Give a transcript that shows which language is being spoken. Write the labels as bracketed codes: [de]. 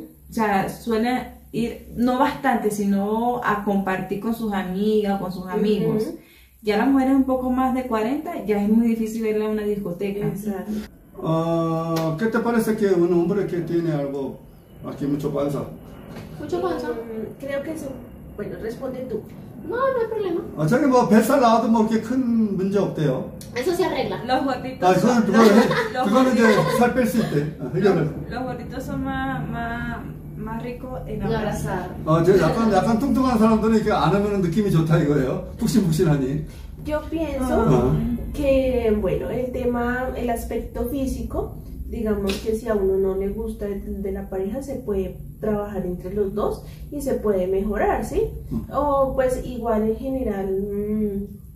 [es] O sea, suelen ir, no bastante, sino a compartir con sus amigas, con sus amigos. Ya las mujeres un poco más de 40, ya es muy difícil verla a una discoteca. Exacto. ¿Qué te parece que un hombre que tiene algo aquí, mucho panza? ¿Mucho panza? Creo que eso. Bueno, responde tú. No, no hay problema. [ko] Chaki, 뭐, 뱃살 나와도 뭐, 그렇게 큰 문제 없대요. [es] Eso se arregla. Los gorditos. Ah, son, bueno, los gorditos. Los gorditos son más ricos en abrazar. [ko] 저 약간 뚱뚱한 사람들은 이렇게 안 하면 느낌이 좋다 이거예요. 푹신푹신하니. [es] Yo pienso que, bueno, el tema, el aspecto físico, digamos que si a uno no le gusta de la pareja, se puede trabajar entre los dos y se puede mejorar, ¿sí? O pues igual en general...